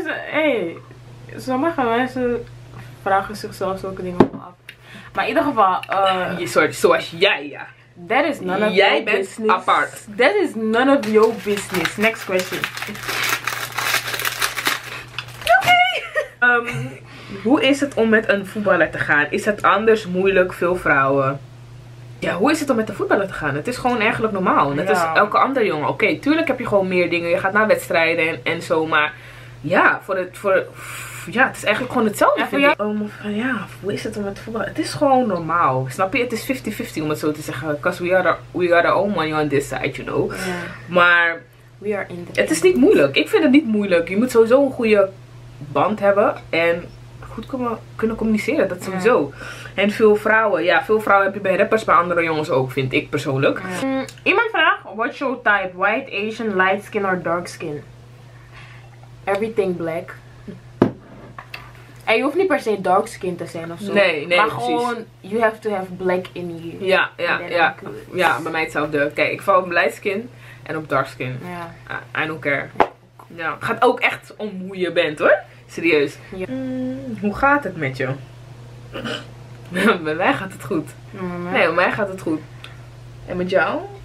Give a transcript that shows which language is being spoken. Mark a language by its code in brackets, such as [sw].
[nl] Hey, sommige mensen vragen zichzelf zulke dingen af. Maar in ieder geval... Zoals jij, ja. [en] That is none of your business. [nl] Jij bent apart. [en] That is none of your business. Next question. Okay. [nl] Hoe is het om met een voetballer te gaan? Is het anders moeilijk, veel vrouwen? Ja, hoe is het om met een voetballer te gaan? Het is gewoon eigenlijk normaal. Net als elke andere jongen. Oké, tuurlijk heb je gewoon meer dingen. Je gaat naar wedstrijden en zo, maar... Ja, het is eigenlijk gewoon hetzelfde. En voor jou? Hoe is het om met voetbal? Het is gewoon normaal. Snap je? Het is 50-50 om het zo te zeggen. [en] Because we are our own money on this side, you know. Yeah. [nl] Maar [en] we are in the [nl] het is niet moeilijk. Ik vind het niet moeilijk. Je moet sowieso een goede band hebben. En goed kunnen communiceren. Dat sowieso. Yeah. En veel vrouwen. Ja, veel vrouwen heb je bij rappers, bij andere jongens ook, vind ik persoonlijk. [en] Yeah. [nl] Iemand vraagt, [en] what's your type? White, Asian, light skin or dark skin? Everything black. [nl] En je hoeft niet per se dark skin te zijn of zo. Nee, maar precies. Maar gewoon, [en] you have to have black in you. [nl] Ja, bij mij hetzelfde. Kijk, ik val op light skin en op dark skin. Ja. [en] I don't care. [nl] Ja. Gaat ook echt om hoe je bent hoor. Serieus. Ja. Hoe gaat het met je? Bij mij gaat het goed. Nee, bij mij gaat het goed. En met jou?